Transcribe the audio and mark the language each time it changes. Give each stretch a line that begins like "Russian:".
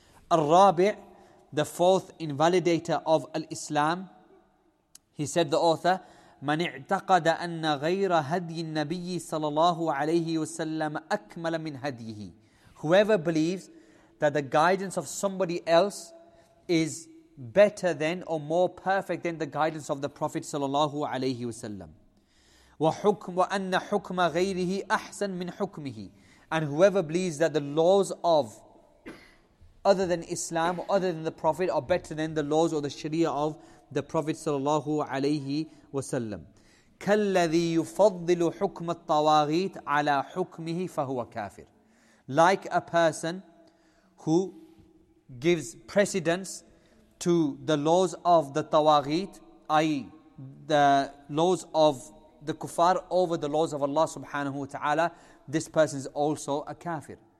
English: Al-Rabi', the fourth invalidator of al-Islam, he said, the author,
Arabic: مَنْ اِعْتَقَدَ أَنَّ غَيْرَ هَدْيِ النَّبِيِّ صَلَى اللَّهُ عَلَيْهِ وَسَلَّمَ أَكْمَلَ مِنْ هَدْيِهِ,
English: whoever believes that the guidance of somebody else is better than or more perfect than the guidance of the Prophet صلى الله عليه وسلم,
Arabic: وَأَنَّ حُكْمَ غَيْرِهِ أَحْسَنَ مِنْ حُكْمِهِ,
English: and whoever believes that the laws of other than Islam or other than the Prophet are better than the laws or the Sharia of the Prophet sallallahu alayhi wasallam.
Arabic: كالذي يفضل حكم الطواغيت على حكمه فهو كافر.
English: Like a person who gives precedence to the laws of the tawaghit, i.e. the laws of the kuffar over the laws of Allah subhanahu wa ta'ala, this person is also a kafir.